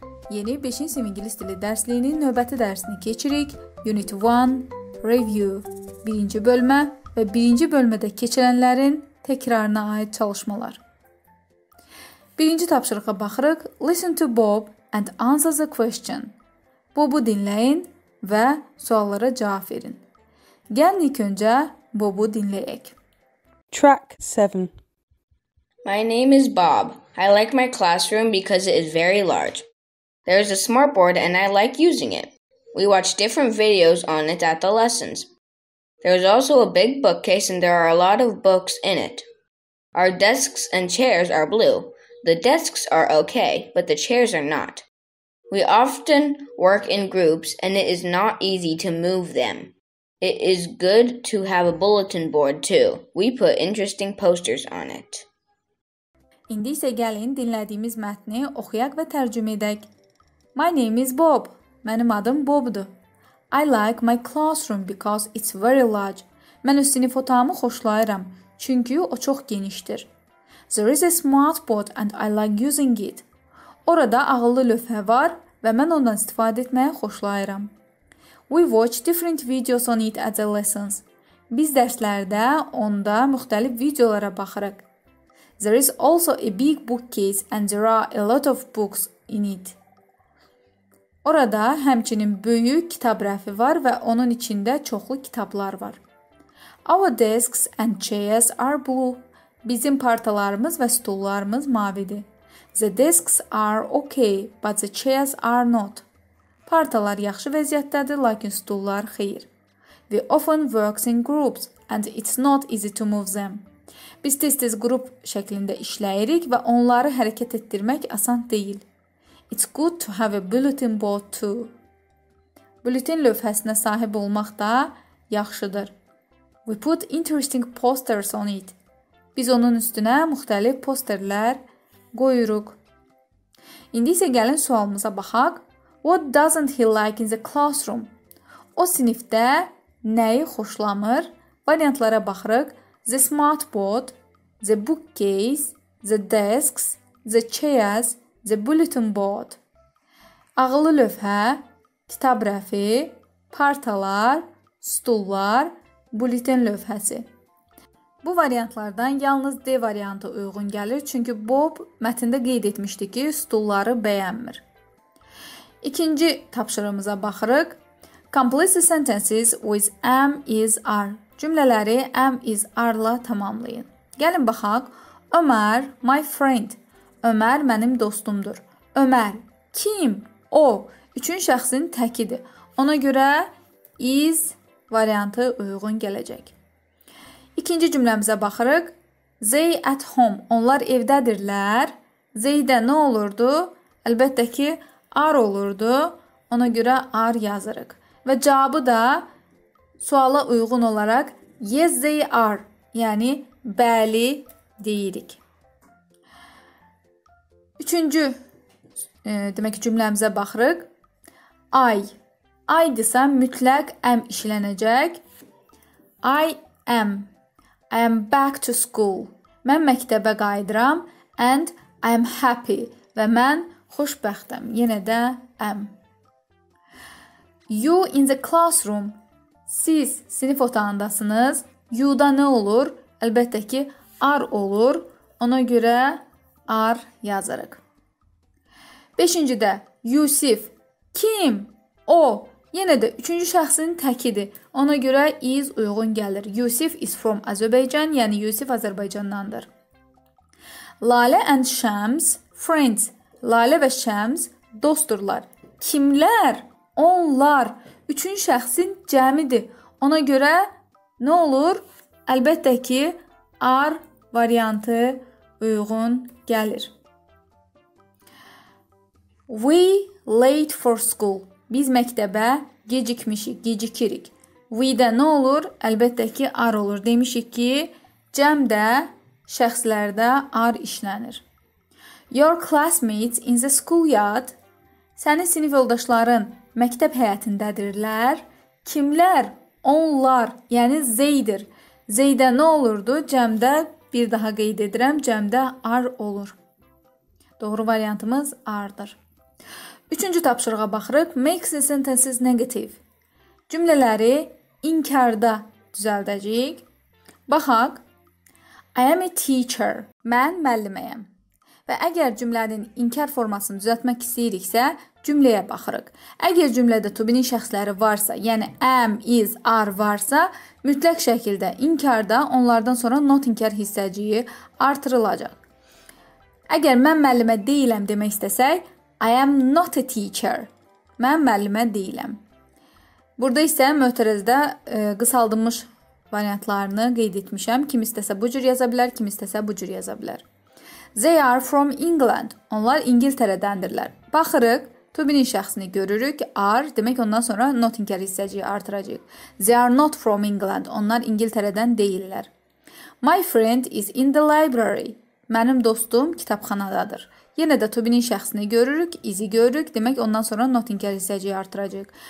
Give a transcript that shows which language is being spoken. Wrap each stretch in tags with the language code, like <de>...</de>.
<az>Yeni 5-ci sinif ingilis dili dərsliyinin növbəti dərsini keçirik.</az> <en>Unit 1, Review.</en> <az>1-ci bölmə və 1-ci bölmədə keçirənlərin təkrarına aid çalışmalar. 1-ci tapşırıqa baxırıq.</az> <en>Listen to Bob and answer the question.</en> <az>Bob'u dinləyin və suallara cavab verin. Gəlin ilk öncə Bob'u dinləyək.</az> <en>Track 7. My name is Bob. I like my classroom because it is very large. There is a smart board and I like using it. We watch different videos on it at the lessons. There is also a big bookcase and there are a lot of books in it. Our desks and chairs are blue. The desks are okay, but the chairs are not. We often work in groups and it is not easy to move them. It is good to have a bulletin board too. We put interesting posters on it.</en> <az>İndi isə gəlin dinlədiyimiz mətni oxuyaq və tərcümə edək.</az> <en>My name is Bob.</en> <az>Mənim adım Bobdur.</az> <en>I like my classroom because it's very large.</en> <az>Mən öz sinif otağımı xoşlayıram, çünki o çox genişdir.</az> <en>There is a smart board and I like using it.</en> <az>Orada ağıllı lövhə var və mən ondan istifadə etməyi xoşlayıram.</az> <en>We watch different videos on it at the lessons.</en> <az>Biz dərslərdə onda müxtəlif videolara baxırıq.</az> <en>There is also a big bookcase and there are a lot of books in it.</en> <az>Orada həmçinin böyük kitab rəfi var və onun içində çoxlu kitablar var.</az> <en>Our desks and chairs are blue.</en> <az>Bizim partalarımız və stullarımız mavidir.</az> <en>The desks are okay, but the chairs are not.</en> <az>Partalar yaxşı vəziyyətdədir, lakin stullar xeyir.</az> <en>We often work in groups and it's not easy to move them.</en> <az>Biz tez-tez qrup şəklində işləyirik və onları hərəkət etdirmək asan deyil.</az> <en>It's good to have a bulletin board too.</en> <az>Bulletin lövhəsinə sahib olmaq da yaxşıdır.</az> <en>We put interesting posters on it.</en> <az>Biz onun üstünə müxtəlif posterlər qoyuruq. İndi isə gəlin sualımıza baxaq.</az> <en>What doesn't he like in the classroom?</en> <az>O sinifdə nəyi xoşlamır? Variantlara baxırıq.</az> <en>The smart board, the bookcase, the desks, the chairs, the bulletin board.</en> <az>Ağıllı lövhə, kitab rəfi, partalar, stullar, bulletin lövhəsi. Bu variantlardan yalnız D variantı uyğun gəlir, çünki Bob mətndə qeyd etmişdi ki, stulları bəyənmir. İkinci tapşırığımıza baxırıq.</az> <en>Complete the sentences with am, is, are.</en> <az>Cümlələri am, is, are-la tamamlayın. Gəlin baxaq.</az> <en>Ömər, my friend.</en> <az>Ömər mənim dostumdur. Ömər, kim? O, üçün şəxsin təkidir. Ona görə is variantı uyğun gələcək. İkinci cümləmizə baxırıq.</az> <en>They at home.</en> <az>Onlar evdədirlər. They-də nə olurdu? Əlbəttə ki, are olurdu. Ona görə are yazırıq. Və cavabı da suala uyğun olaraq yes they are, yəni bəli deyirik. Üçüncü demək ki, cümləmizə baxırıq. I. I desə mütləq am işlənəcək. I am.</az> <en>I am back to school.</en> <az>Mən məktəbə qayıdıram</az> <en>and I am happy</en> <az>və mən xoşbəxtəm. Yenə də</az> <en>am. You in the classroom.</en> <az>Siz sinif otağındasınız. You-da nə olur? Əlbəttə ki, are olur. Ona görə are yazırıq. Beşincidə, Yusif. Kim? O. Yenə də üçüncü şəxsin təkidir. Ona görə is uyğun gəlir.</az> <en>Yusif is from Azərbaycan,</en> <az>yəni Yusif Azərbaycandandır.</az> <en>Lalə and Şəms, friends.</en> <az>Lalə və Şəms dostdurlar. Kimlər? Onlar. Üçüncü şəxsin cəmidir. Ona görə nə olur? Əlbəttə ki, are variantı uyğun gəlir.</az> <en>We late for school.</en> <az>Biz məktəbə gecikmişik, gecikirik. We-də nə olur? Əlbəttə ki, are olur. Demişik ki, cəmdə şəxslərdə are işlənir.</az> <en>Your classmates in the school yard.</en> <az>Sənin sinif yoldaşların məktəb həyətindədirlər. Kimlər? Onlar. Yəni, zeydir. Zeydə nə olurdu? Cəmdə, bir daha qeyd edirəm, cəmdə ar olur. Doğru variantımız R'dır. Üçüncü tapşırığa baxırıq.</az> <en>Make the sentences negative.</en> <az>Cümlələri inkarda düzəldəcəyik. Baxaq.</az> <en>I am a teacher.</en> <az>Mən müəlliməyəm. Və əgər cümlənin inkar formasını düzəltmək istəyiriksə, cümləyə baxırıq. Əgər cümlədə to be-nin şəxsləri varsa, yəni am, is, are varsa, mütləq şəkildə inkarda onlardan sonra not inkar hissəciyi artırılacaq. Əgər mən müəllimə deyiləm demək istəsək,</az> <en>I am not a teacher.</en> <az>Mən müəllimə deyiləm. Burada isə mötərizdə qısaldılmış variantlarını qeyd etmişəm. Kim istəsə bu cür yaza bilər, kim istəsə bu cür yaza bilər.</az> <en>They are from England.</en> <az>Onlar İngiltərədəndirlər. Baxırıq, to be-nin şəxsini görürük. Are, demək ondan sonra not inkar hissəciyi artıracaq.</az> <en>They are not from England.</en> <az>Onlar İngiltərədən deyillər.</az> <en>My friend is in the library.</en> <az>Mənim dostum kitabxanadadır. Yenə də to be-nin şəxsini görürük, is-i görürük. Demək ondan sonra not inkar hissəciyi artıracaq.</az>